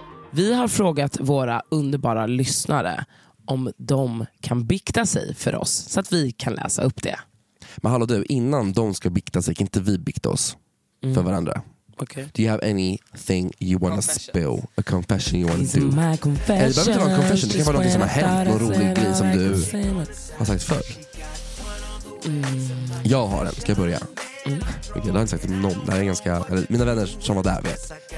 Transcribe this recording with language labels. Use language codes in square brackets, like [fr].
[sv] Vi har frågat våra underbara lyssnare om de kan bikta sig för oss så att vi kan läsa upp det. Men hallå du, innan de ska bikta sig, kan inte vi bikta oss för varandra? [en] Okay. Do you have anything you want to spill? A confession you want to do? My confession. [sv] Det behöver inte vara en confession. Det kan vara något som har hänt. Någon rolig grej som du har sagt förr. Jag har den. Ska jag börja? Mm. Okay, jag har inte sagt någon. Det här är ganska... Eller, mina vänner som var där vet.